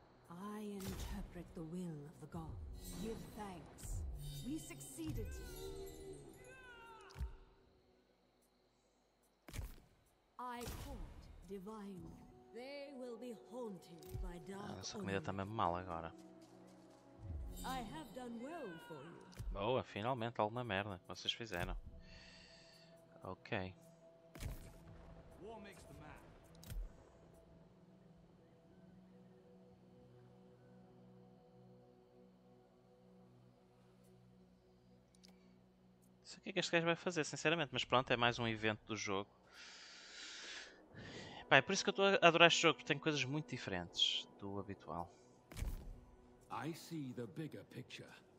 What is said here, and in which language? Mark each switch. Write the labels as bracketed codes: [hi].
[en] I interpret the will of the gods. Give thanks. We succeeded. I caught divine. They will be haunted by dark. [pt] Essa comida tá mesmo mal agora. [en] I have done well for you. [pt] Boa, finalmente alguma merda que vocês fizeram. Ok. [en] War makes the man. [pt] Não sei o que é que este gajo vai fazer, sinceramente, mas pronto, é mais um evento do jogo. Pá, é por isso que eu estou a adorar este jogo, porque tem coisas muito diferentes do habitual. [en] I see the bigger picture.